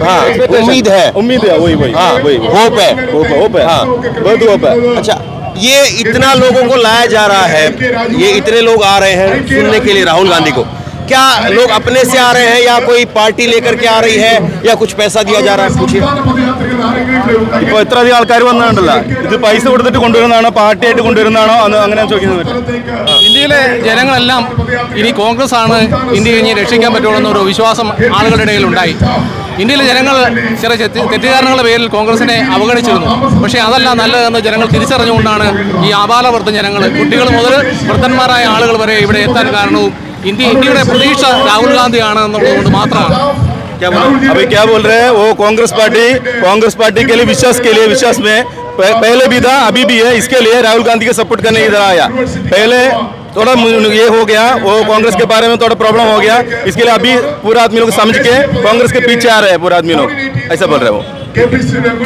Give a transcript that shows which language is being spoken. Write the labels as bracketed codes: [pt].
[hi] हाँ, उम्मीद है वही होप है। हाँ, बहुत होप है। अच्छा, ये इतना लोगों को लाया जा रहा है, ये इतने लोग आ रहे हैं सुनने के लिए राहुल गांधी को, क्या लोग अपने से आ रहे हैं या कोई पार्टी लेकर के आ रही है या कुछ पैसा दिया जा रहा है? पूछिए। [ml] ഇപ്പൊ എത്ര അധികം ആൾക്കാർ വന്നിട്ടുണ്ടല്ല, ഇത് പൈസ കൊടുത്തിട്ട് കൊണ്ടുവരുന്നതാണോ പാർട്ടി ആയിട്ട് കൊണ്ടുവരുന്നതാണോ അങ്ങനെ ചോദിക്കുന്നത്? ഇന്ത്യയിലെ ജനങ്ങളെല്ലാം ഇനി കോൺഗ്രസ് ആണ് ഇന്ത്യ ഇനി രക്ഷിക്കാൻ പറ്റുള്ളൂ എന്നൊരു വിശ്വാസം ആളുകളുടെ ഇടയിൽ ഉണ്ടായി. ഇന്ത്യയിലെ ജനങ്ങൾ ചില തെറ്റിദ്ധാരണകളുടെ പേരിൽ കോൺഗ്രസിനെ അവഗണിച്ചിരുന്നു, പക്ഷേ അതല്ല നല്ലതെന്ന് ജനങ്ങൾ തിരിച്ചറിഞ്ഞുകൊണ്ടാണ് ഈ ആബാലവൃദ്ധ ജനങ്ങൾ, കുട്ടികൾ മുതൽ വൃദ്ധന്മാരായ ആളുകൾ വരെ ഇവിടെ എത്താൻ കാരണവും ഇന്ത്യയുടെ പ്രതീക്ഷ രാഹുൽ ഗാന്ധിയാണ് എന്നുള്ളതുകൊണ്ട് മാത്രമാണ്. [hi] अभी क्या बोल रहे हैं वो? कांग्रेस पार्टी के लिए विश्वास के लिए, विश्वास में पहले भी था अभी भी है, इसके लिए राहुल गांधी के सपोर्ट करने इधर आया. पहले थोड़ा ये हो गया, वो कांग्रेस के बारे में थोड़ा प्रॉब्लम हो गया, इसके लिए अभी पूरा आदमी लोग समझ के कांग्रेस के पीछे आ रहे हैं पूरा आदमी लोग, ऐसा बोल रहे हैं वो.